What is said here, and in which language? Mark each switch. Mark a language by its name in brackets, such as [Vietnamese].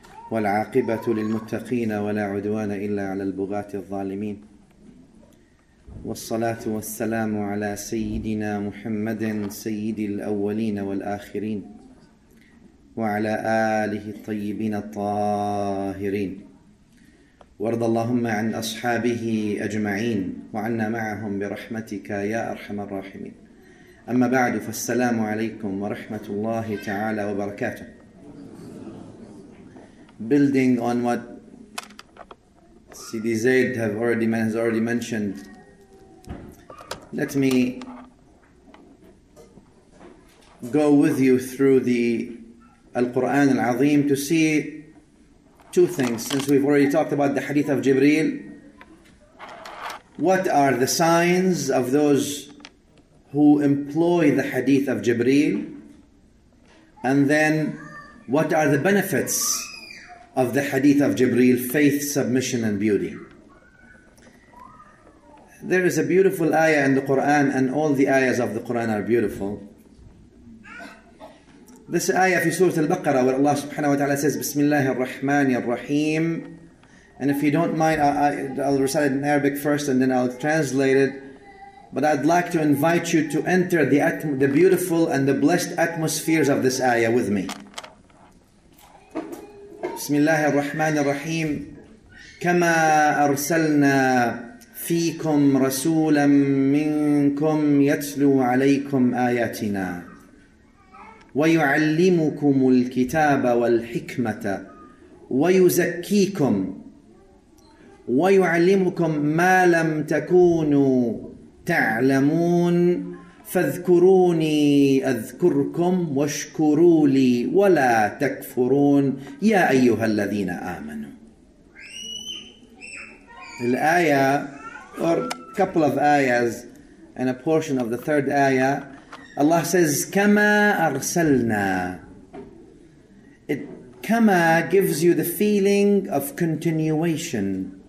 [Arabic] والعاقبة للمتقين ولا عدوان إلا على البغاة الظالمين والصلاة والسلام على سيدنا محمد سيد الأولين والآخرين وعلى آله الطيبين الطاهرين وارض اللهم عن أصحابه أجمعين وعنا معهم برحمتك يا أرحم الراحمين أما بعد فالسلام عليكم ورحمة الله تعالى وبركاته. [English] Building on what Sidi Zayd has already mentioned, let me go with you through the Al-Qur'an Al-Azim to see two things. Since we've already talked about the Hadith of Jibreel, what are the signs of those who employ the Hadith of Jibreel? And then, what are the benefits of the Hadith of Jibreel, faith, submission, and beauty. There is a beautiful ayah in the Quran, and all the ayahs of the Quran are beautiful. This ayah in Surah Al-Baqarah, where Allah subhanahu wa ta'ala says, Bismillah ar-Rahman ar-Rahim. And if you don't mind, I'll recite it in Arabic first, and then I'll translate it. But I'd like to invite you to enter the beautiful and the blessed atmospheres of this ayah with me. [Arabic] بسم الله الرحمن الرحيم كما أرسلنا فيكم رسولا منكم يتلو عليكم آياتنا ويعلمكم الكتاب والحكمة ويزكيكم ويعلمكم ما لم تكونوا تعلمون فاذكروني أذكركم واشكروا لي ولا تكفرون يا أيها الذين آمنوا. [English] الآية or a couple of ayahs and a portion of the third ayah, Allah says [Arabic] كما أرسلنا. [English] It كما gives you the feeling of continuation.